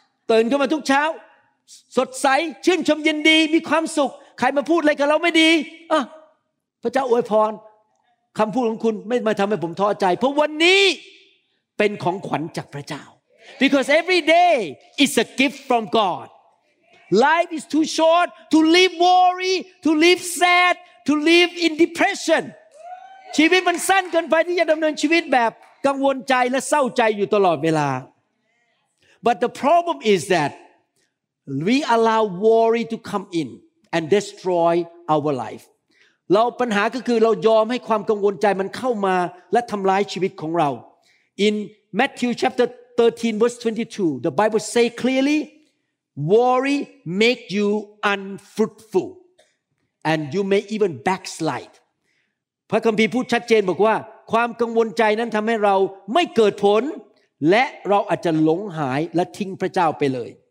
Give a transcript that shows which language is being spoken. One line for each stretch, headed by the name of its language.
Thai: ตื่นขึ้นมาทุกเช้าสดใสชื่นชมยินดีมีความสุขใครมาพูดอะไรกับเราไม่ดีพระเจ้าอวยพรคำพูดของคุณไม่มาทำให้ผมท้อใจเพราะวันนี้เป็นของขวัญจากพระเจ้า
English: Because every day is a gift from God. Life is too short to live worry, to live sad, to live in depression.
Thai: ชีวิตมันสั้นเกินไปที่จะดำเนินชีวิตแบบกังวลใจและเศร้าใจอยู่ตลอดเวลา
English: But the problem is that we allow worry to come in and destroy our life.
Thai: เราปัญหาก็คือเรายอมให้ความกังวลใจมันเข้ามาและทำลายชีวิตของเรา
English: In Matthew chapter 13, verse 22, the Bible say clearly, worry make you unfruitful, and you may even backslide.
Thai: พระคัมภีร์พูดชัดเจนบอกว่าความกังวลใจนั้นทำให้เราไม่เกิดผลและเราอาจจะหลงหายและทิ้งพระเจ้าไปเลย